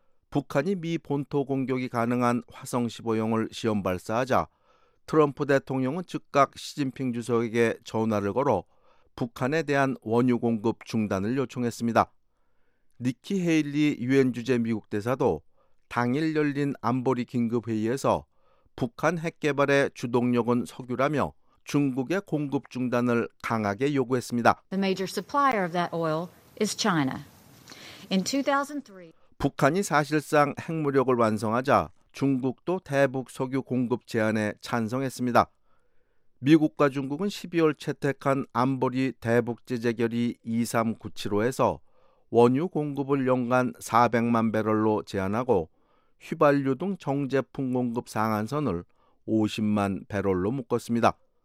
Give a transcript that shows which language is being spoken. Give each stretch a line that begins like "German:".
Korean: 북한이 미 본토 공격이 가능한 화성 15형을 시험 발사하자 트럼프 대통령은 즉각 시진핑 주석에게 전화를 걸어 북한에 대한 원유 공급 중단을 요청했습니다. 니키 헤일리 유엔 주재 미국 대사도 당일 열린 안보리 긴급회의에서 북한 핵 개발의 주동력은 석유라며 중국의 공급 중단을 강하게 요구했습니다.
English: The major supplier of that oil is China. In 2003,
Korean: 북한이 사실상 핵무력을 완성하자 중국도 대북 석유 공급 제한에 찬성했습니다. 미국과 중국은 12월 채택한 안보리 대북 제재 결의 2397호에서 원유 공급을 연간 400만 배럴로 제한하고 휘발유 등 정제품 공급 상한선을 50만 배럴로 묶었습니다.